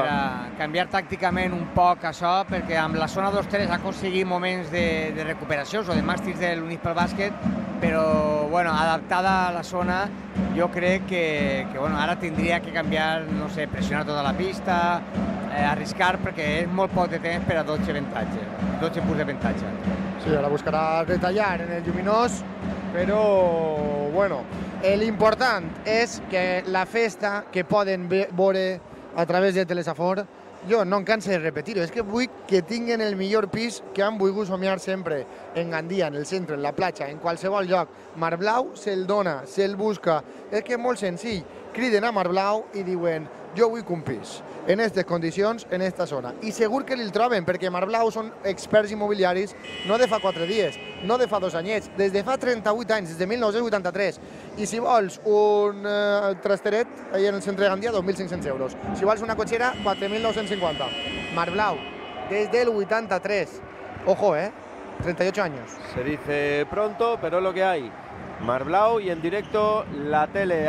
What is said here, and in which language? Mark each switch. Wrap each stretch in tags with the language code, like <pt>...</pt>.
<es>Para cambiar tácticamente un poco eso, porque en la zona 2-3 ha conseguido momentos de recuperación, o de mástiles del Unispel Basket, pero bueno, adaptada a la zona, yo creo que bueno, ahora tendría que cambiar, no sé, presionar toda la pista, arriscar, porque es muy</es> <ca>poc de temps</ca> <es>para 12 ventajas. 12 puntos de ventaja. Sí, ahora buscará detallar en el Lluminós,</es> <ca>però, bueno, l'important és que la festa que poden veure a través de Telesafor, jo no em canso de repetir-ho, és que vull que tinguin el millor pis que han volgut somiar sempre en Gandia, en el centre, en la platja, en qualsevol lloc. Mar Blau se'l dona, se'l busca. És que és molt senzill. Criden a Mar Blau i diuen, jo vull un pis, en aquestes condicions, en aquesta zona. I segur que l'hi troben, perquè Mar Blau són experts immobiliaris no de fa 4 dies, no de fa 2 anyets, des de fa 38 anys, des de 1983. I si vols un trasteret, ahí en el centre de Gandia, 2.500 euros. Si vols una cotxera, 4.950. Mar Blau, des del 83. Ojo, 38 anys.</ca> <es>Se dice pronto, pero lo que hay. Mar Blau y en directo la tele.</es>